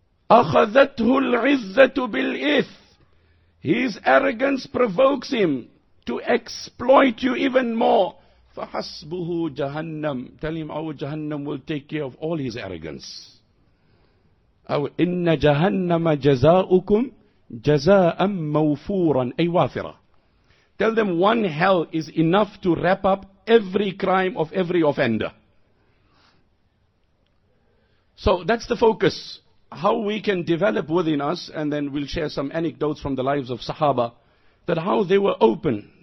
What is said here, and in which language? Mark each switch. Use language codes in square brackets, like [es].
[ar] أَخَذَتْهُ الْعِزَّةُ بِالْإِثْ [en] His arrogance provokes him to exploit you even more. [ar] فَحَسْبُهُ جَهَنَّمُ [en] Tell him our Jahannam will take care of all his arrogance. [ar] إِنَّ جَهَنَّمَ جَزَاءُكُمْ جَزَاءً مَوْفُورًا أي وافرة. [en] Tell them one hell is enough to wrap up every crime of every offender. So that's the focus. How we can develop within us, and then we'll share some anecdotes from the lives of Sahaba, that how they were open.